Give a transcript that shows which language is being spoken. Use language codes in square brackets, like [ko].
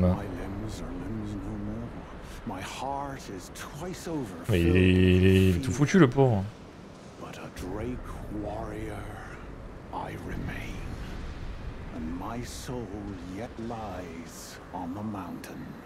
[en] My limbs are limbs no more. My heart is twice over. [fr] Mais il est tout foutu, le pauvre. [en] Drake Warrior, I remain, and my soul yet lies on the mountain.